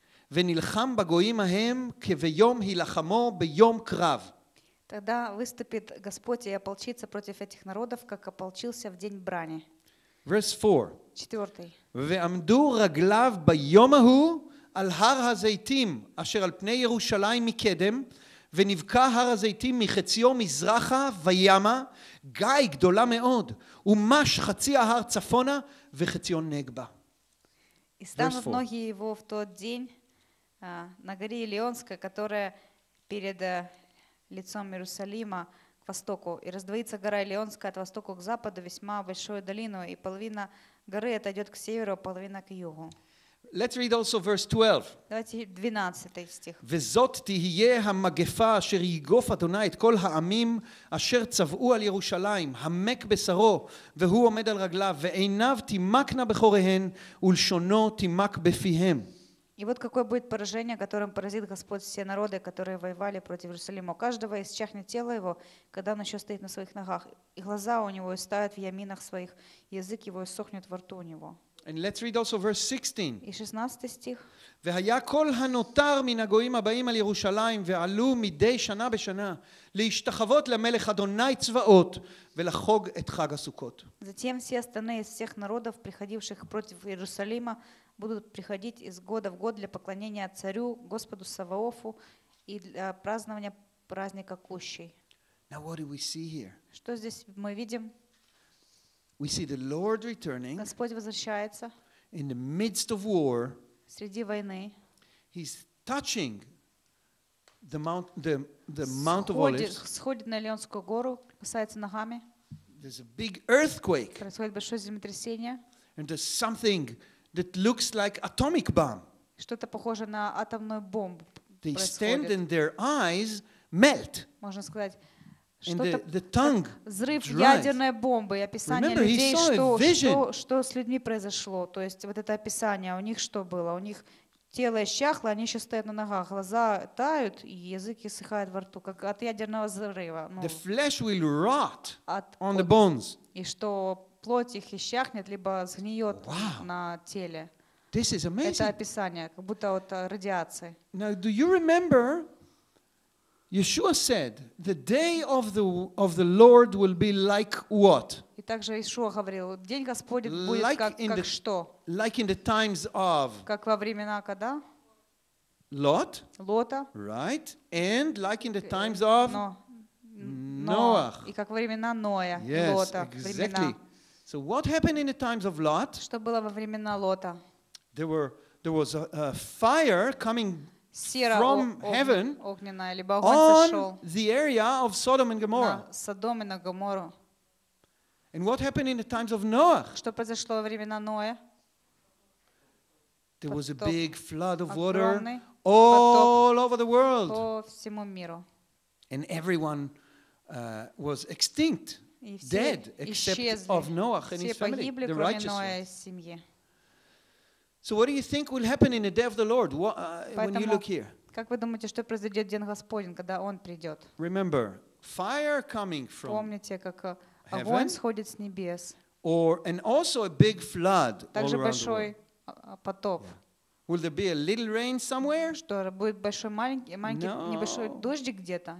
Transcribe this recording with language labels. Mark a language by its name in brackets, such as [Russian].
[Hebrew] ונלחם בגויים ההם כביום הילחמו ביום קרב. [Russian] Тогда выступит Господь и ополчится против этих народов, как ополчился в день брани. [English] Verse 4. [Russian] Четвертый. [Hebrew] ועמדו רגליו ביום ההוא על הר הזיתים אשר על פני ירושלים מקדם, ונבקע הר הזיתים מחציו מזרחה וימה, גיא גדולה מאוד, ומש חצי ההר צפונה וחציו נגבה. [Russian] И станут ноги его в тот день на горе Елеонской, которая перед лицом Иерусалима к востоку. И раздвоится гора Елеонская от востока к западу, весьма большую долину, и половина горы отойдет к северу, половина к югу. [English] Let's read also verse 12. [Russian] Давайте 12 стих. [Hebrew] וזאת תהיה המגפה אשר יגוף אדוני את כל העמים אשר צבעו על ירושלים, המק בשרו, והוא עומד על רגליו, ועיניו תימקנה בחוריהן, ולשונו תימק בפיהם. [Russian] И вот какое будет поражение, которым поразит Господь все народы, которые воевали против Иерусалима. У каждого исчахнет тело его, когда он еще стоит на своих ногах. И глаза у него истают в яминах своих, язык его иссохнет во рту у него. [English] And let's read also verse 16. [Russian] И 16 стих. [Hebrew] והיה כל הנותר מן הגויים הבאים על ירושלים ועלו מדי שנה בשנה להשתחוות למלך אדוני צבאות ולחוג את חג הסוכות. [Russian] Затем все остальные из всех народов, приходивших против Иерусалима, будут приходить из года в год для поклонения царю Господу Саваофу и для празднования праздника Кущей. [English] Now what do we see here? [Russian] Что здесь мы видим? [English] We see the Lord returning. [Russian] Господь возвращается. [English] In the midst of war. [Russian] Среди войны. [English] He's touching the Mount of Olives. [Russian] Сходит на Елеонскую гору, касается ногами. [English] There's a big earthquake. [Russian] Происходит большое землетрясение. [English] And there's something that looks like atomic bomb. [Russian] Что-то похоже на атомную бомбу. [English] They stand and their eyes melt. [Russian] Можно сказать. [English] And the tongue dries. [Russian] Взрыв ядерной бомбы и описание людей, что с людьми произошло. То есть вот это описание, у них что было? У них тело исчахло, они еще стоят на ногах, глаза тают, и язык иссыхает во рту, как от ядерного взрыва. [English] The flesh will rot on the bones. [Russian] И что плоть их исчахнет, либо сгниет на теле. [English] This is amazing. [Russian] Это описание, как будто от радиации. [English] Now, do you remember... Yeshua said, "The day of the Lord will be like what?" [Russian] И также Иисус говорил, день Господень будет как что? [English] Like in the times of. [Russian] Как во времена когда? [English] Lot. [Russian] Лота. [English] Right, and like in the times of. Noah. [Russian] И как времена Ноя. [English] Yes, exactly. So what happened in the times of Lot? [Russian] Что было во времена Лота? [English] There was a fire coming. From heaven [Russian] огненная, [English] on the area of Sodom and Gomorrah. [Russian] На Содом и на Гоморру. [English] And what happened in the times of Noah? [Russian] Что произошло во времена Ноя? [English] There was a big flood of water all over the world. [Russian] По всему миру. [English] And everyone was extinct, dead, except of Noah and his family, the righteous. So what do you think will happen in the day of the Lord when you look here? [Russian] Как вы думаете, что произойдет в день Господень, когда Он придет? [English] Remember, fire coming from. [Russian] Помните, как огонь сходит с небес. [English] Or and also a big flood. [Russian] Также большой потоп. [English] Will there be a little rain somewhere? [Russian] Что будет большой маленький небольшой дождик где-то?